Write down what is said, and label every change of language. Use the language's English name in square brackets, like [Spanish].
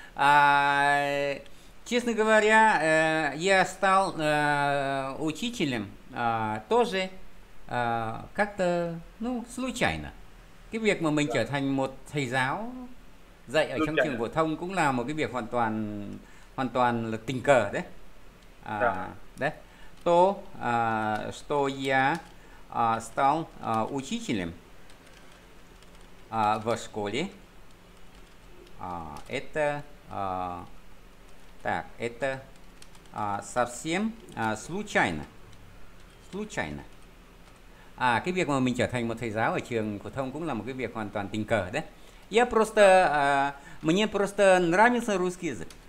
[Russian] А, честно говоря, я стал учителем тоже как-то, ну, случайно. [Vietnamese] Cái việc mà mình trở thành một thầy giáo dạy ở trong trường phổ thông cũng là một cái việc hoàn toàn là tình cờ đấy. À, đấy. [Russian] То, что я стал учителем в школе. Это так, это совсем случайно. Случайно. [Vietnamese] А, cái việc mà mình trở thành một thầy giáo ở trường phổ thông cũng là một cái việc hoàn toàn tình cờ đấy. [Russian] Я просто мне просто нравился русский язык.